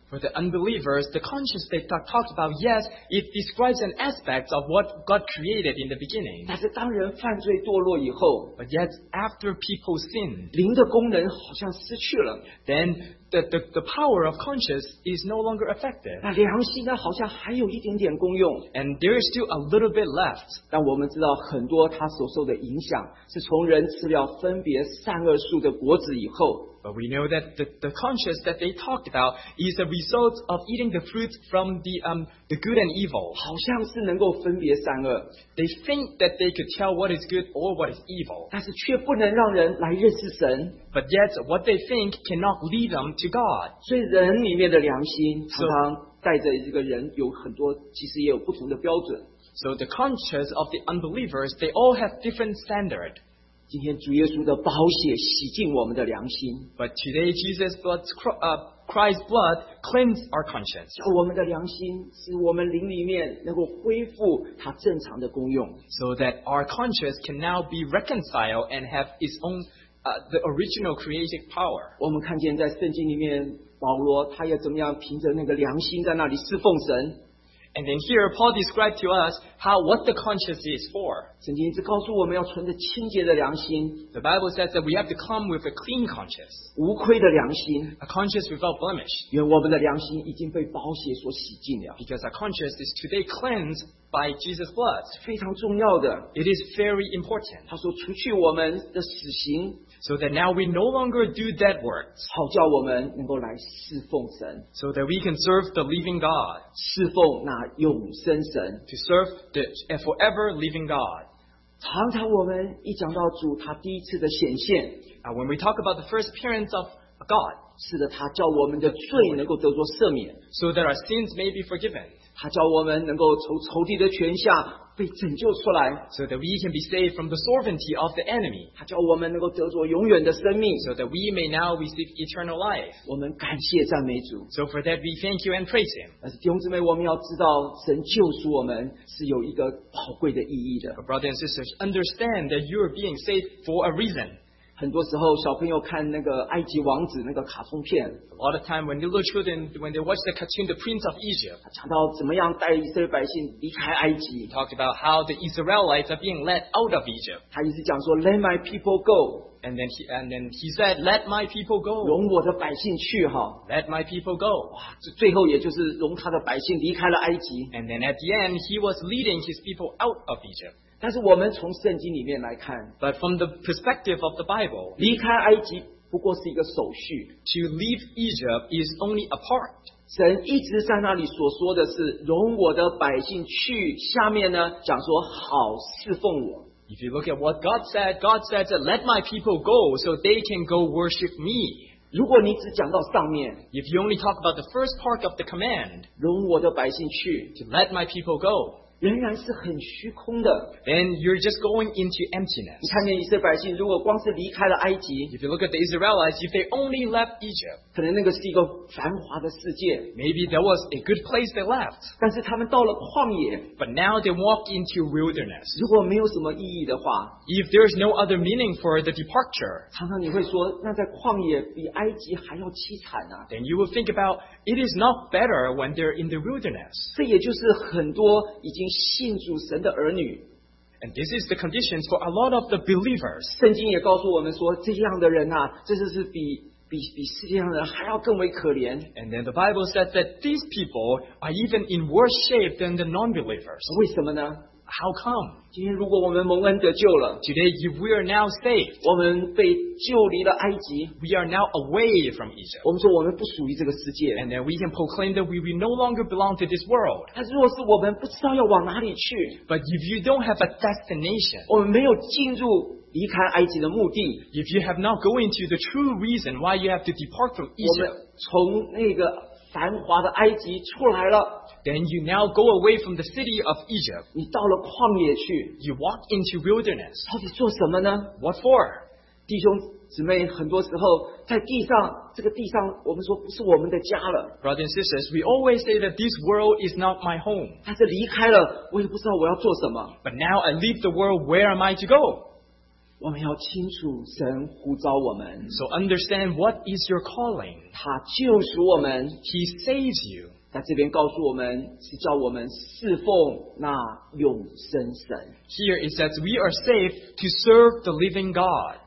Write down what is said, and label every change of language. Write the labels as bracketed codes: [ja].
[en] For the unbelievers, the conscience they talked about, yes, it describes an aspect of what God created in the beginning. [zh] 但是当人犯罪堕落以后 [en] ，But yet after people sin, [zh] 灵的功能好像失去了。 [en] Then the power of conscience is no longer effective. [zh] 那良心呢，好像还有一点点功用。 [en] And there is still a little bit left. [zh] 但我们知道很多它所受的影响是从人吃了分别善恶树的果子以后。 [en] But we know that the conscience that they talked about is the result of eating the fruits from the good and evil. [zh] 好像是能够分别善恶。 [en] They think that they could tell what is good or what is evil. [zh] 但是却不能让人来认识神。 [en] But yet, what they think cannot lead them to God. [zh] 所以人里面的良心常常带着这个人有很多，其实也有不同的标准。 [en] So the conscience of the unbelievers, they all have different standards. [zh] 今天主耶稣的宝血洗净我们的良心 [en] But today Jesus blood, Christ's blood cleansed our conscience [zh] 我们的良心使我们灵里面能够恢复它正常的功用 [en] So that our conscience can now be reconciled and have its own the original creative power [zh] 我们看见在圣经里面保罗他也怎么样凭着那个良心在那里侍奉神 [en] And then here, Paul described to us how what the conscience is for. [zh] 圣经一直告诉我们要存着清洁的良心。 [en] The Bible says that we have to come with a clean conscience. [zh] 无愧的良心。 [en] A conscience without blemish. [zh] 因为我们的良心已经被宝血所洗净了。 [en] Because our conscience is today cleansed by Jesus' blood. [zh] 非常重要的。 [en] It is very important. [zh] 他说除去我们的死刑。 [en] So that now we no longer do dead works. [zh] 好叫我们能够来侍奉神。 [en] So that we can serve the living God. [zh] 侍奉那永生神。 [en] To serve the forever living God. [zh] 常常我们一讲到主他第一次的显现。 [en] When we talk about the first appearance of God. [zh] 是的他叫我们的罪能够得着赦免。 [en] So that our sins may be forgiven. [zh] 他叫我们能够从仇敌的权下被拯救出来 [en] so that we can be saved from the sovereignty of the enemy. [zh] 他叫我们能够得着永远的生命 [en] so that we may now receive eternal life. [zh] 我们感谢赞美主 [en] so for that we thank you and praise him. [zh] 但是弟兄姊妹，我们要知道神救赎我们是有一个宝贵的意义的 [en] But brothers and sisters, understand that you are being saved for a reason. [zh] 很多时候小朋友看那个埃及王子那个卡通片 [en] A lot of time when little children, when they watch the cartoon, The Prince of Egypt, [zh] 他讲到怎么样带以色列百姓离开埃及 [en] He talked about how the Israelites are being led out of Egypt. [zh] 他一直讲说 [en] let my people go. And then he said, let my people go. [zh] 容我的百姓去哈 [en] Let my people go. [zh] 最后也就是容他的百姓离开了埃及 [en] And then at the end, he was leading his people out of Egypt. [zh] 但是我们从圣经里面来看 [en] But from the perspective of the Bible [zh] 离开埃及不过是一个手续 [en] To leave Egypt is only a part [zh] 神一直在那里所说的是容我的百姓去下面呢讲说好侍奉我 [en] If you look at what God said that let my people go so they can go worship me [zh] 如果你只讲到上面 [en] If you only talk about the first part of the command [zh] 容我的百姓去 [en] To let my people go [zh] 仍然是很虚空的 [en] Then you're just going into emptiness [zh] 你看见以色列百姓如果光是离开了埃及 [en] If you look at the Israelites If they only left Egypt [zh] 可能那个是一个繁华的世界 [en] Maybe there was a good place they left [zh] 但是他们到了旷野 [en] But now they walk into wilderness [zh] 如果没有什么意义的话 [en] If there's no other meaning for the departure [zh] 常常你会说那在旷野比埃及还要凄惨啊 [en] Then you will think about It is not better when they're in the wilderness [zh] 这也就是很多已经信主神的儿女 [en] And this is the conditions for a lot of the believers. [zh] 圣经也告诉我们说这样的人啊这就是比世界上的人还要更为可怜 [en] And then the Bible says that these people are even in worse shape than the non-believers. [zh] 为什么呢 [en] How come? [zh] 今天如果我们蒙恩得救了 [en] Today if we are now saved, [zh] 我们被救离了埃及 [en] We are now away from Egypt. [zh] 我们说我们不属于这个世界 [en] And then we can proclaim that we no longer belong to this world. [zh] 但是如果是我们不知道要往哪里去 [en] But if you don't have a destination, [zh] 我们没有进入离开埃及的目的 [en] If you have not gone into the true reason why you have to depart from Egypt, [zh] 我们从那个繁华的埃及出来了。 [en] Then you now go away from the city of Egypt. [zh] 你到了旷野去。 [en] You walk into wilderness. [zh] 到底做什么呢？ [en] What for? [zh] 弟兄姊妹，很多时候在地上，这个地上我们说不是我们的家了。 [en] Brothers and sisters, we always say that this world is not my home. [zh] 但是离开了，我也不知道我要做什么。 [en] But now I leave the world, where am I to go? [zh] 我们要清楚神呼召我们。 [en] So understand what is your calling. [zh] 他救赎我们。 [en] He saves you. [zh] 他这边告诉我们是叫我们侍奉那永生神。 [en] Here it says we are saved to serve the living God.